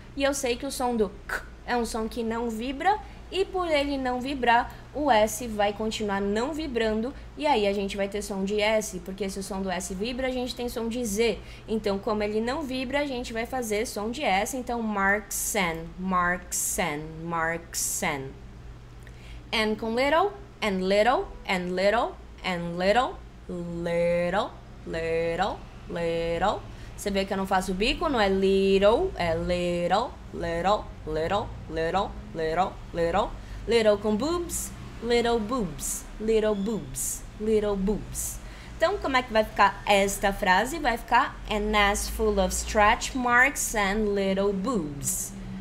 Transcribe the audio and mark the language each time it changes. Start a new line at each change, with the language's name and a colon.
Portuguese: E eu sei que o som do k é um som que não vibra, e por ele não vibrar, o S vai continuar não vibrando, e aí a gente vai ter som de S, porque se o som do S vibra, a gente tem som de Z. Então, como ele não vibra, a gente vai fazer som de S, então marksen, marksen, marksen.
English: And com little, and little, and little, and little, little, little, little.
Portuguese: Você vê que eu não faço o bico, não é little, é little, little, little, little, little, little.
English: Little com boobs, little boobs, little boobs, little boobs.
Portuguese: Então, como é que vai ficar esta frase? Vai ficar
English: an ass full of stretch marks and little boobs.